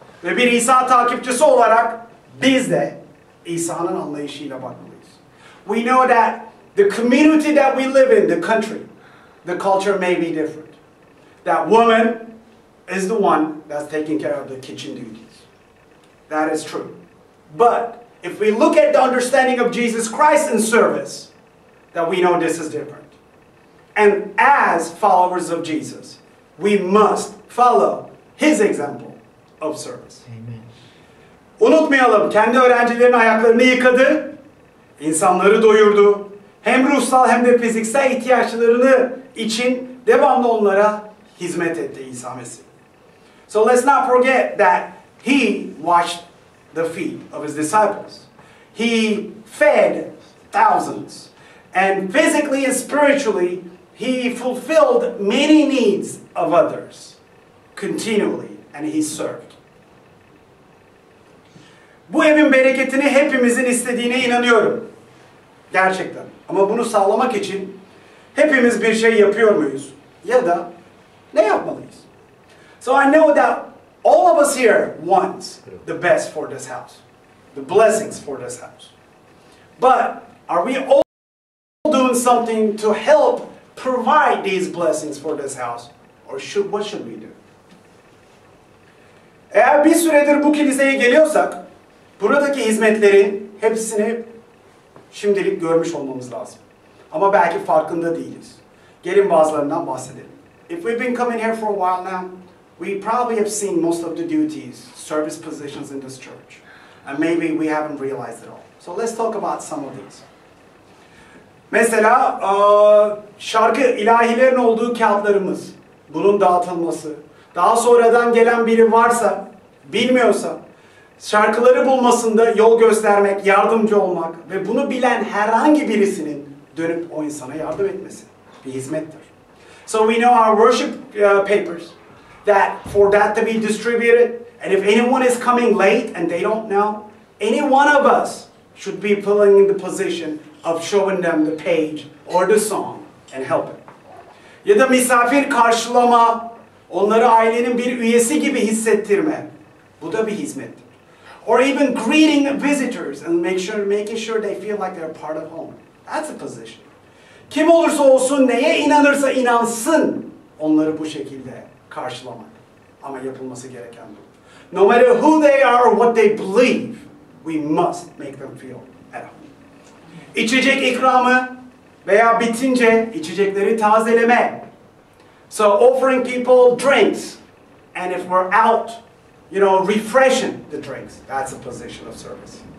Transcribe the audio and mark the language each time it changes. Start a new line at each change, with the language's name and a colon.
Turkish: Ve bir İsa takipçisi olarak biz de İsa'nın anlayışıyla bakmalıyız.
English: We know that the community that we live in, the country, the culture may be different. That woman is the one that's taking care of the kitchen duties. That is true. But if we look at the understanding of Jesus Christ in service, that we know this is different. And as followers of Jesus, we must follow his example of service. Amen.
Turkish: Unutmayalım, kendi öğrencilerin ayaklarını yıkadı, insanları doyurdu, hem ruhsal hem de fiziksel ihtiyaçlarını için devamlı onlara hizmet etti İsa Mesih.
English: So let's not forget that he washed the feet of his disciples. He fed thousands. And physically and spiritually, he fulfilled many needs of others continually, and he served.
Turkish: Bu evin bereketini hepimizin istediğine inanıyorum. Gerçekten. Ama bunu sağlamak için hepimiz bir şey yapıyor muyuz? Ya da ne yapmalıyız?
English: So I know that all of us here want the best for this house, the blessings for this house. But are we all doing something to help provide these blessings for this house, or should what should we do?
Turkish: Eğer bir süredir bu kiliseye geliyorsak, buradaki hizmetlerin hepsini şimdilik görmüş olmamız lazım. Ama belki farkında değiliz. Gelin bazılarından bahsedelim.
English: If we've been coming here for a while now, we probably have seen most of the duties, service positions in this church. And maybe we haven't realized it all. So let's talk about some of these.
Turkish: Mesela şarkı ilahilerin olduğu kağıtlarımız, bunun dağıtılması, daha sonradan gelen biri varsa, bilmiyorsa, şarkıları bulmasında yol göstermek, yardımcı olmak ve bunu bilen herhangi birisinin dönüp o insana yardım etmesi bir hizmettir.
English: So we know our worship papers, that for that to be distributed, and if anyone is coming late and they don't know, any one of us should be pulling in the position of showing them the page or the song and helping.
Turkish: Ya da misafir karşılama, onları ailenin bir üyesi gibi hissettirme. Bu da bir hizmet.
English: Or even greeting visitors and making sure they feel like they're part of home. That's a position.
Turkish: Kim olursa olsun, neye inanırsa inansın, onları bu şekilde karşılamak. Ama yapılması gereken bu.
English: No matter who they are or what they believe, we must make them feel at home.
Turkish: İçecek ikramı veya bitince içecekleri tazeleme.
English: So offering people drinks, and if we're out, you know, refreshing the drinks, that's a position of service.